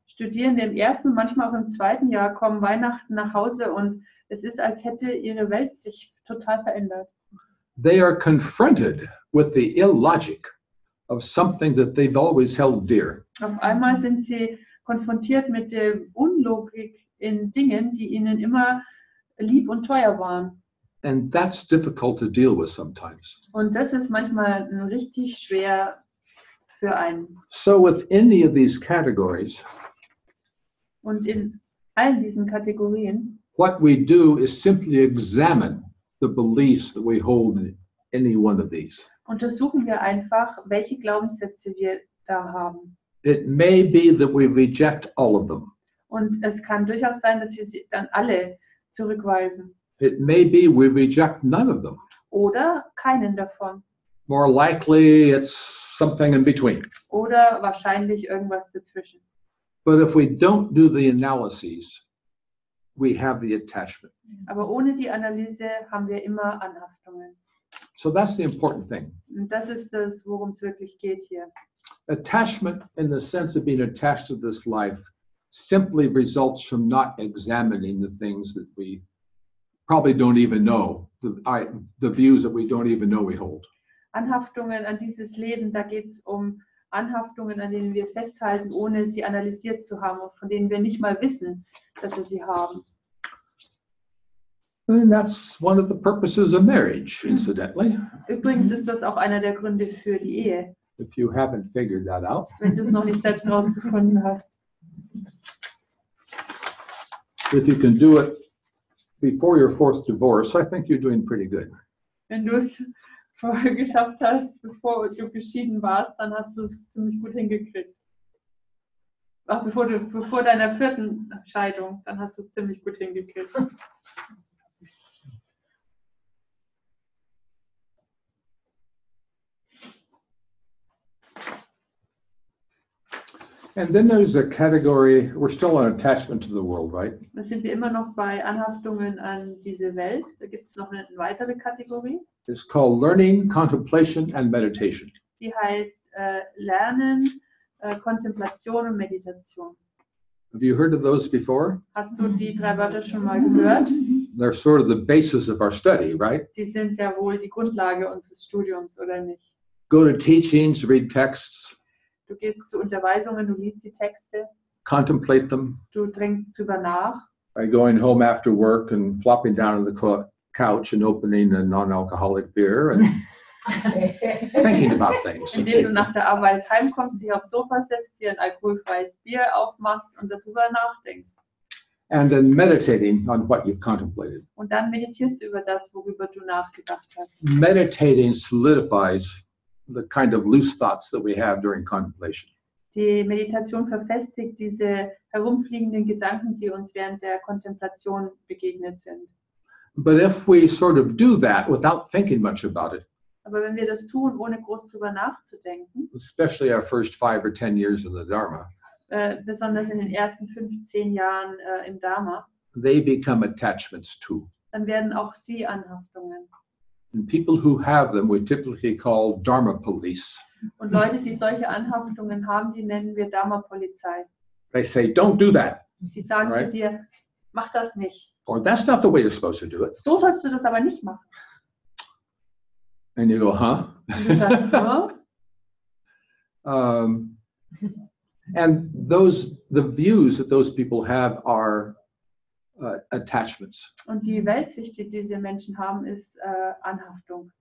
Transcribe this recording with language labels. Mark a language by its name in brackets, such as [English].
[German] Studierende im ersten und manchmal auch im zweiten Jahr kommen Weihnachten nach Hause und es ist, als hätte ihre Welt sich total verändert. [English] They are confronted with the illogic of something that they've always held dear. [German] Auf einmal sind sie konfrontiert mit der Unlogik in Dingen, die ihnen immer lieb und teuer waren. [English] And that's difficult to deal with sometimes. [German] Und das ist manchmal richtig schwer. [English] So with any of these categories, [German] und in all diesen Kategorien, [English] what we do is simply examine the beliefs that we hold in any one of these. [German] Untersuchen wir einfach, welche Glaubenssätze wir da haben. [English] It may be that we reject all of them. [German] Und es kann durchaus sein, dass wir sie dann alle zurückweisen. [English] It may be we reject none of them. [German] Oder keinen davon. [English] More likely, it's something in between. [German] Oder wahrscheinlich irgendwas dazwischen. [English] But if we don't do the analyses, we have the attachment. [German] Aber ohne die Analyse haben wir immer Anhaftungen. [English] So that's the important thing. [German] Und das ist das, worum es wirklich geht hier. [English] Attachment in the sense of being attached to this life simply results from not examining the things that we probably don't even know, the views that we don't even know we hold. [German] Anhaftungen an dieses Leben, da geht es um Anhaftungen, an denen wir festhalten, ohne sie analysiert zu haben, von denen wir nicht mal wissen, dass wir sie haben. [English] And that's one of the purposes of marriage, incidentally. [German] Übrigens ist das auch einer der Gründe für die Ehe. [English] If you haven't figured that out. [German] Wenn du es noch nicht selbst herausgefunden hast. [English] If you can do it before your fourth divorce, I think you're doing pretty good. [German] Wenn du es vorher geschafft hast, bevor du geschieden warst, dann hast du es ziemlich gut hingekriegt. Ach, bevor deiner vierten Scheidung, dann hast du es ziemlich gut hingekriegt. [English] And then there's a category, we're still on attachment to the world, right? [German] Da sind wir immer noch bei Anhaftungen an diese Welt. Da gibt es noch eine weitere Kategorie. [English] It's called learning, contemplation and meditation. [German] Die heißt Lernen, Kontemplation und Meditation. [English] Have you heard of those before? [German] Hast du die drei Wörter schon mal gehört? [English] They're sort of the basis of our study, right? [German] Die sind ja wohl die Grundlage unseres Studiums, oder nicht? [English] Go to teachings, read texts. [German] Du gehst zu Unterweisungen, du liest die Texte. [English] Contemplate them. [German] Du denkst drüber nach. [English] By going home after work and flopping down on the couch and opening a non-alcoholic beer and thinking about things. [German] Indem du nach der Arbeit heimkommst, dich aufs Sofa setzt, dir ein alkoholfreies Bier aufmachst und darüber nachdenkst. [English] And then meditating on what you've contemplated. [German] Und dann meditierst du über das, worüber du nachgedacht hast. [English] Meditating solidifies the kind of loose thoughts that we have during contemplation. [German] Die Meditation verfestigt diese herumfliegenden Gedanken, die uns während der Kontemplation begegnet sind. [English] But if we sort of do that without thinking much about it. [German] Aber wenn wir das tun, ohne groß drüber nachzudenken. [English] Especially our first 5 or 10 years of the Dharma. [German] Besonders in den ersten 5, 10 Jahren im Dharma. [English] They become attachments too. [German] Dann werden auch sie Anhaftungen. [English] And people who have them, we typically call Dharma police. [German] Und Leute, die solche Anhaftungen haben, die nennen wir Dharma-Polizei. [English] They say, don't do that. [German] Die sagen [English] right? [German] zu dir, mach das nicht. [English] Or that's not the way you're supposed to do it. [German] So sollst du das aber nicht machen. [English] And you go, huh? [German] Und du [English] and those, the views that those people have are attachments. [German] Und die Weltsicht, die diese Menschen haben, ist Anhaftung.